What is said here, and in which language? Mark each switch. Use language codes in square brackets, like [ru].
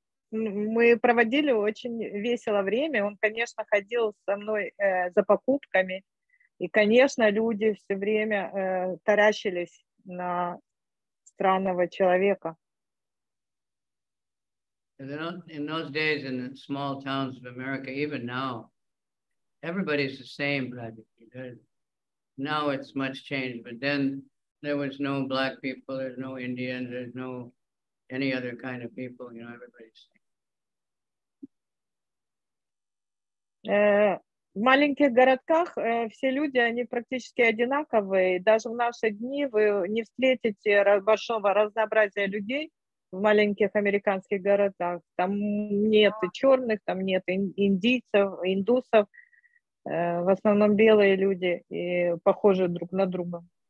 [ru] Мы проводили очень весело время. Он, конечно, ходил со мной за покупками. И, конечно, люди все время таращились на странного человека. [en] In those days, in the small towns of America, even now, everybody's the same, Bradley. Now it's much changed, but then there was no black people, there's no Indian, there's no any other kind of people, you know, everybody's the same. [ru] В маленьких городках все люди, они практически одинаковые. Даже в наши дни вы не встретите большого разнообразия людей. В маленьких американских городах там нет черных, там нет индийцев, индусов, в основном белые люди и похожи друг на друга.